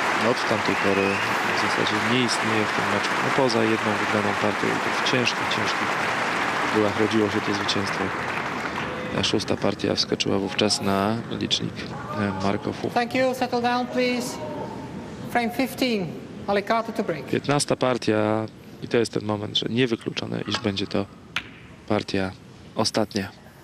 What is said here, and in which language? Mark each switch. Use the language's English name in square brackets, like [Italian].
[Polish] Od tamtej pory w zasadzie nie istnieje w tym meczu, no poza jedną wygraną partią, i to w ciężkich byłach rodziło się to zwycięstwo. Szósta partia wskoczyła wówczas na licznik Marco Fu. [English] Thank you, settle down please. Frame 15, Ali Carter to break. [Polish] 15 partia i to jest ten moment, że niewykluczone, iż będzie to partia ostatnia.